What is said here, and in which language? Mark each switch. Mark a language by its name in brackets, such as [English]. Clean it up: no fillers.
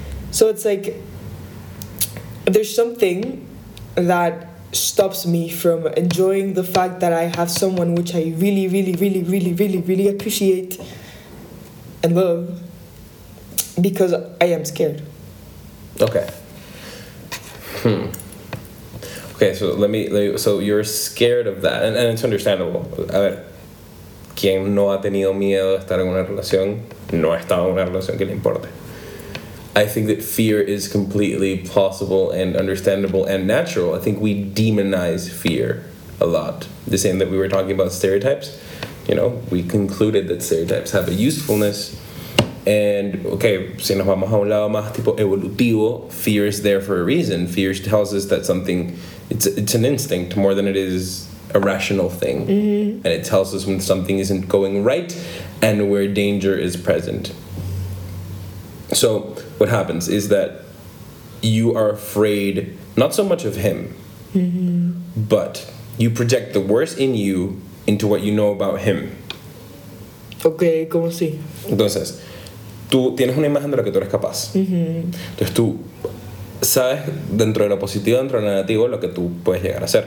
[English] So it's like there's something that stops me from enjoying the fact that I have someone which I really, really, really, really, really, really appreciate and love, because I am scared. Okay. Okay, so let me, so you're scared of that, and it's understandable. [Spanish] A ver, ¿quién no ha tenido miedo de estar en una relación? No ha estado en una relación, ¿qué le importa? [English] I think that fear is completely plausible and understandable and natural. I think we demonize fear a lot. The same that we were talking about stereotypes, you know, we concluded that stereotypes have a usefulness. [Spanish] And, okay, si nos vamos a un lado más tipo evolutivo, [English] fear is there for a reason. Fear tells us that something, it's an instinct more than it is a rational thing. Mm-hmm. And it tells us when something isn't going right and where danger is present. So what happens is that you are afraid, not so much of him, mm-hmm. but you project the worst in you into what you know about him. [Spanish] Okay, ¿cómo así? Entonces, tú tienes una imagen de lo que tú eres capaz. Mm-hmm. Entonces tú sabes dentro de lo positivo, dentro de lo negativo, lo que tú puedes llegar a hacer.